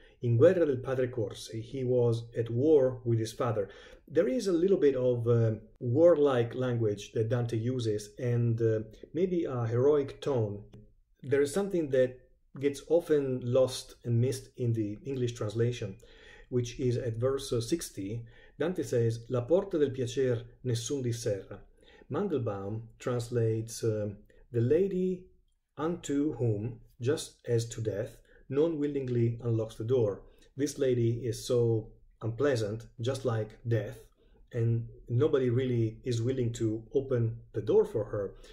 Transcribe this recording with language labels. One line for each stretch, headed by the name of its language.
Italian: In guerra del padre corse,
English: he was at war with his father. There is a little bit of warlike language that Dante uses, and maybe a heroic tone. There is something that gets often lost and missed in the English translation, which is at verse 60. Dante says,
Italian: La porta del piacer nessun diserra.
English: Mandelbaum translates, the lady unto whom, just as to death, non willingly unlocks the door. This lady is so unpleasant, just like death, and nobody really is willing to open the door for her.